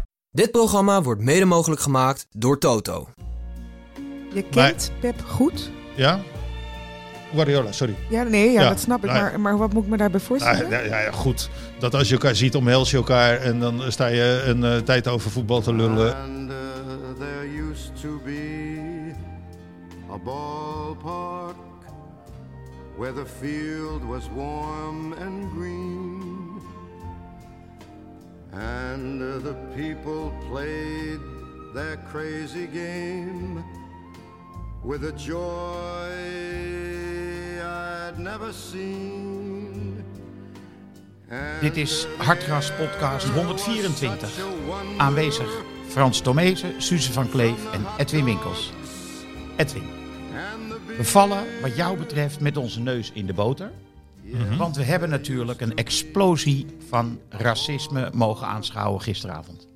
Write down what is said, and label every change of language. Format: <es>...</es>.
<nl>Dit programma wordt mede mogelijk gemaakt door Toto. Je kent Pep goed? Ja. Guardiola, sorry. Dat snap ik. Maar wat moet ik me daarbij voorstellen? Goed. Dat als je elkaar ziet, omhels je elkaar en dan sta je een tijd over voetbal te lullen.</nl> <en>And there used to be a ballpark where the field was warm and green and the people played their crazy game with a joy I'd never seen.</en> <nl>And dit is Hartgras Podcast 124. Aanwezig Frans Tomezen, Suze van Kleef en Edwin Winkels. Edwin. We vallen wat jou betreft met onze neus in de boter. Mm-hmm. Want we hebben natuurlijk een explosie van racisme mogen aanschouwen gisteravond.</nl>